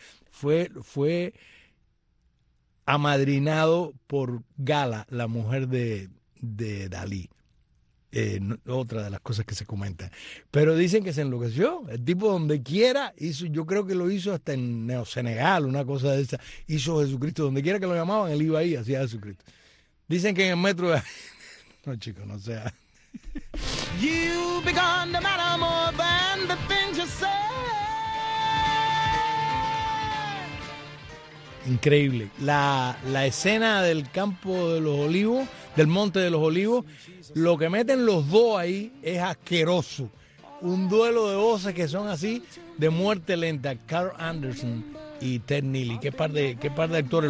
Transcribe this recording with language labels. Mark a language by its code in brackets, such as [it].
[es] fue amadrinado por Gala, la mujer de Dalí. Otra de las cosas que se comentan. Pero dicen que se enloqueció. El tipo donde quiera hizo, yo creo que lo hizo hasta en Neo-Senegal, una cosa de esa. Hizo Jesucristo. Donde quiera que lo llamaban, él iba ahí, hacía Jesucristo. Dicen que en el metro de... No, chicos, no sea. [en] You've begun to matter more than the things you say. [es] Increíble. La escena del campo de los olivos, del monte de los olivos, lo que meten los dos ahí es asqueroso. Un duelo de voces que son así de muerte lenta. Carl Anderson y Ted Neely. Qué par de actores.